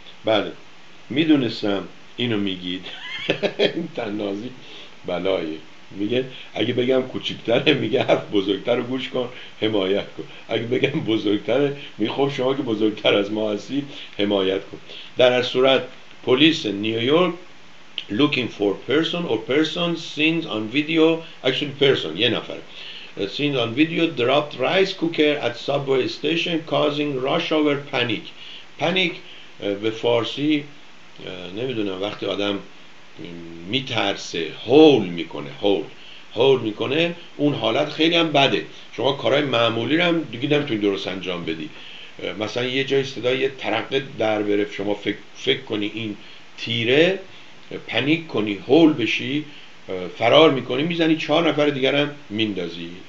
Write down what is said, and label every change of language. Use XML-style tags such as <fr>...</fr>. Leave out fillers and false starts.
<fa>بله میدونستم اینو میگید. این تنازی بلایه، میگه اگه بگم کوچیکتره میگه حرف بزرگتر رو گوش کن حمایت کن، اگه بگم بزرگتره میگه خب شما که بزرگتر از ما هستی حمایت کن. در هر صورت پلیس نیویورک</fa> <en>looking for person or persons seen on video, actually person,</en> <fa>یه نفر</fa> <en>seen on video dropped rice cooker at subway station causing rush hour panic.</en> <fa>Panic به فارسی نمیدونم وقتی آدم میترسه هول میکنه، هول میکنه، اون حالت خیلی هم بده. شما کارهای معمولی رو هم دیگه نمیتونی درست انجام بدی، مثلا یه جای صدای یه ترقه در بره، شما فکر کنی این تیره، پنیک کنی، هول بشی، فرار میکنی، میزنی چهار نفر دیگر هم میندازی.</fa>